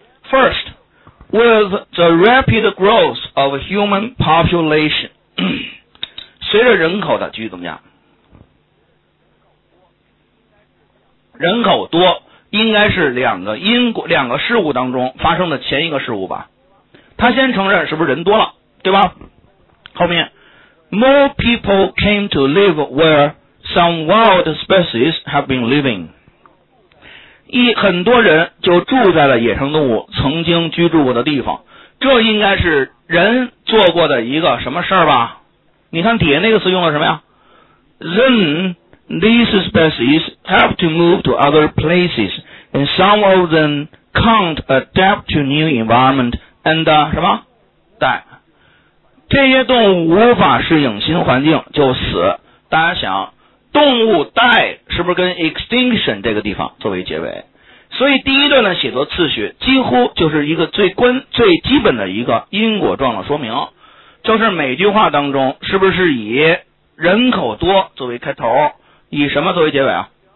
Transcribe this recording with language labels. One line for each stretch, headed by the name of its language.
English: FirstWith the rapid growth of human population，
Chinese: 随着人口的继续增加，人口多应该是两个因果两个事物当中发生的前一个事物吧。他先承认是不是人多了，对吧？后面
English: more people came to live where some wild species have been living。
Chinese: 很多人就住在了野生动物曾经居住过的地方，这应该是人做过的一个什么事儿吧？你看底下那个词用了什么呀？
English: Then these species have to move to other places and some of them can't adapt to new environment and
Chinese: 什么？对，这些动物无法适应新环境就死。大家想动物 die 是不是跟 extinction 这个地方作为结尾？所以第一段的写作次序几乎就是一个最基本的一个因果状的说明，就是每句话当中是不是以人口多作为开头，以什么作为结尾啊？